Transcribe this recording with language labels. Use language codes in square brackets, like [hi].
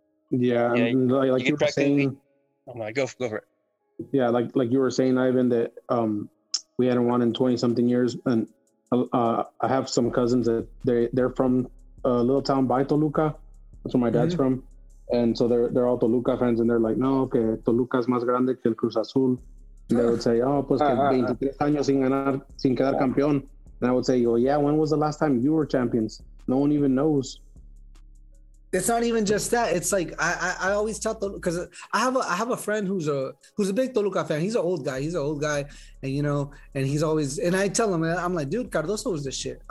[en] Yeah. Like you were saying. Oh my, go for it. Yeah. Like you were saying, Ivan, that, we hadn't won in 20 something years. And I have some cousins that they're from a little town by Toluca. That's where my dad's from. And so they're all Toluca fans, and they're like, [es] no, que Toluca es más grande que el Cruz Azul. [en] And they would say, oh, [es] pues que 23 años sin ganar, sin quedar campeón. [en] And I would say, oh yeah, when was the last time you were champions? No one even knows. It's not even just that. It's like I always tell Toluca, because I have a friend who's a big Toluca fan. He's an old guy. And you know, and he's always, and I tell him, I'm like, dude, Cardoso was the shit.